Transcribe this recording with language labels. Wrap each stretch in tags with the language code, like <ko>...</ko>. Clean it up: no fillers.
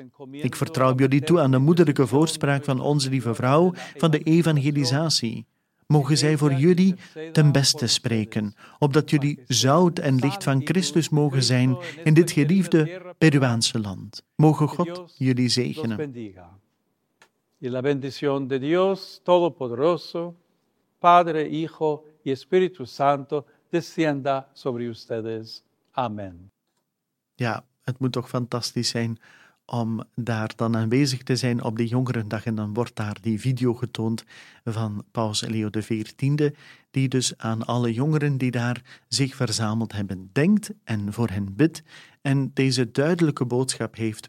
<nl>Ik vertrouw jullie toe aan de moederlijke voorspraak van onze lieve vrouw van de evangelisatie. Mogen zij voor jullie ten beste spreken, opdat jullie zout en licht van Christus mogen zijn in dit geliefde Peruaanse land. Mogen God jullie zegenen.</nl> <es>Y la bendición de Dios Todopoderoso, Padre, Hijo y Espíritu Santo, descienda sobre ustedes. Amén.</es> <nl>Ja, het moet toch fantastisch zijn om daar dan aanwezig te zijn op de Jongerendag. En dan wordt daar die video getoond van Paus Leo XIV, die dus aan alle jongeren die daar zich verzameld hebben, denkt en voor hen bidt en deze duidelijke boodschap heeft.</nl>